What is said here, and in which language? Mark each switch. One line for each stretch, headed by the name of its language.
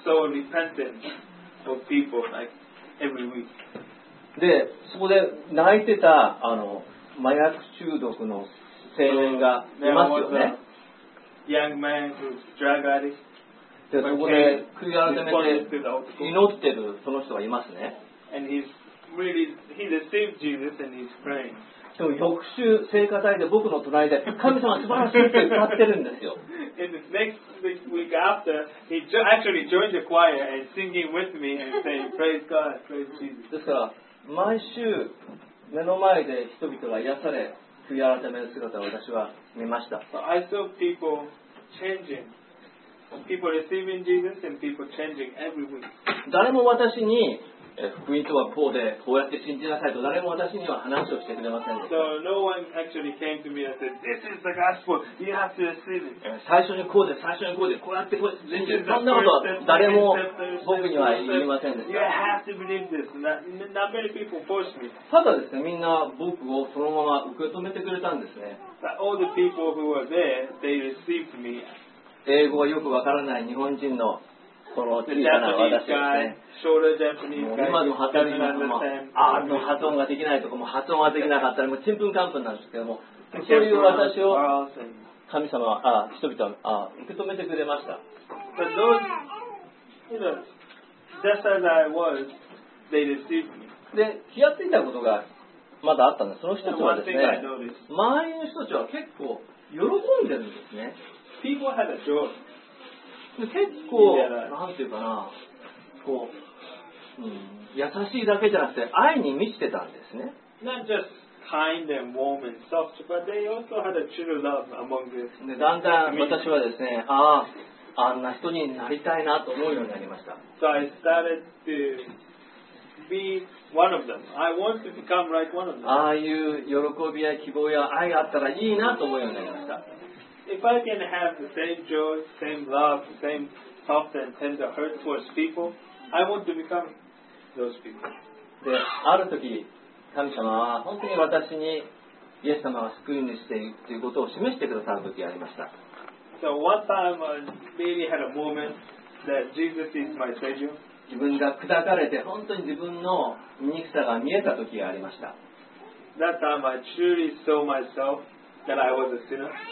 English: So repentance of people, like, every week.
Japanese: でそこで泣いてたあの麻薬中毒の青年がいますよね。
English: Young man who's drug addict.
Japanese: でそこで悔い改めて祈ってるその人がいますね。
English: And he's really, he received Jesus and he's praying.
Japanese: でも翌週聖歌隊で僕の隣で神様素晴らしいって歌ってるんですよ。
English: In the next week after, he actually joined the choir and singing with me and saying, "Praise God, praise Jesus."
Japanese: ですから毎週目の前で人々が癒され悔い改める姿を私は見ました。
English: So、I saw people changing, people receiving Jesus and people changing every week.
Japanese: 誰も私に福音とはこうでこうやって信じなさいと誰も私には話をしてくれませんでした。
English: So no one actually came to me and said, "This is the gospel. You have to receive it."
Japanese: 最初にこうで、最初にこうで、こうやってこうで、全然そんなことは誰も僕には言いませんでした。
English: You have to believe this. Not many people forced me.
Japanese: ただですね、みんな僕をそのまま受け止めてくれたんですね。
English: All the people who were there, they received me.
Japanese: 英語がよくわからない日本人のこの小さな私ですね。今でも発音が、あの発音ができないとかも発音ができなかったりもちんぷんかんぷんなんですけども、そういう私を神様は、あ、人々は、あ、受け止めてくれました。で、気がついたことがまだあったんです。その人たちはですね、周りの人たちは結構喜んでるんですね。
English: People had a joy.
Japanese: 結構なんていうかな、こう、うん、優しいだけじゃなくて愛に満ちてたんですね。
English: Not just kind and warm and soft, but they also had a true love among them.
Japanese: だんだん私はですね、ああんな人になりたいなと思うようになりました。
English: So I started to be one of them. I want to become like one of them.
Japanese: ああいう喜びや希望や愛があったらいいなと思うようになりました。
English: If I can have the same joy, same love, same soft and tender heart towards people, I want to become those people.
Japanese: で、ある時、神様は本当に私にイエス様が救い主でいるということを示してくださる時がありました。
English: So one time I really had a moment that Jesus is my savior.
Japanese: 自分が砕かれて本当に自分の醜さが見えた時がありました。
English: That time I truly saw myself that I was a sinner.